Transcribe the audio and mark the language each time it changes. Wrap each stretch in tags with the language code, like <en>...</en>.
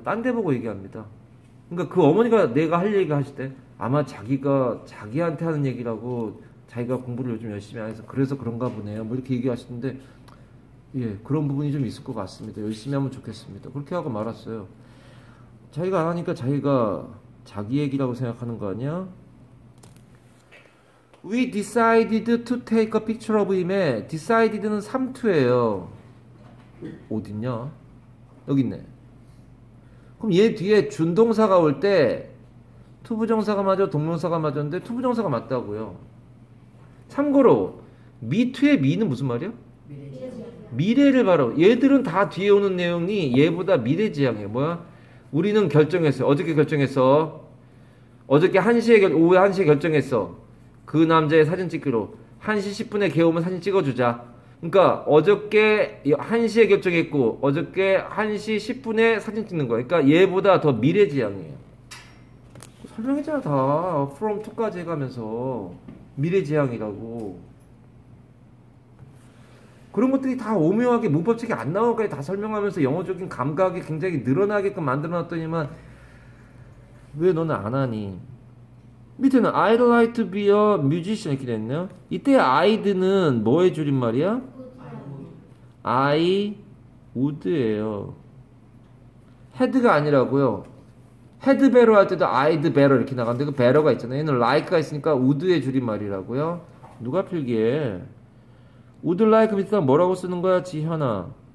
<ko>딴 데 보고 얘기합니다. 그러니까 그 어머니가 내가 할 얘기 하실 때 아마 자기가 자기한테 하는 얘기라고 자기가 공부를 요즘 열심히 안 해서 그래서 그런가 보네요 뭐 이렇게 얘기하시는데 예 그런 부분이 좀 있을 것 같습니다. 열심히 하면 좋겠습니다. 그렇게 하고 말았어요. 자기가 안 하니까 자기가 자기 얘기라고 생각하는 거 아니야?</ko> <en>We decided to take a picture of him에 decided는</en> <ko>삼투예요. 어딨냐? 여기 있네. 그럼 얘 뒤에 준동사가 올 때 투부정사가 맞아 동명사가 맞았는데 투부정사가 맞다고요. 참고로 미투의 미는 무슨 말이야? 미래를 바로. 얘들은 다 뒤에 오는 내용이 얘보다 미래지향이야. 뭐야? 우리는 결정했어. 어저께 결정했어. 어저께 1시에 오후 1시에 결정했어. 그 남자의 사진 찍기로 1시 10분에 걔 오면 사진 찍어주자. 그러니까 어저께 1시에 결정했고 어저께 1시 10분에 사진 찍는 거야. 그러니까 얘보다 더 미래지향이에요. 설명했잖아 다. From 2까지 해가면서 미래지향이라고. 그런 것들이 다 오묘하게 문법책이 안 나오는 것까지 다 설명하면서 영어적인 감각이 굉장히 늘어나게끔 만들어놨더니만 왜 너는 안 하니? 밑에는</ko> <en>I'd like to be a musician</en> <ko>이렇게 됐네요. 이때 I'd는 뭐의 줄임말이야?</ko> <en>I would</en> <ko>예요. Had가 아니라고요. Had better 할 때도</ko> <en>I'd better</en> <ko>이렇게 나가는데 그 better가 있잖아요. 얘는 like가 있으니까 would의 줄임말이라고요. 누가 필기해? Would like 밑에다 뭐라고 쓰는 거야, 지현아?</ko>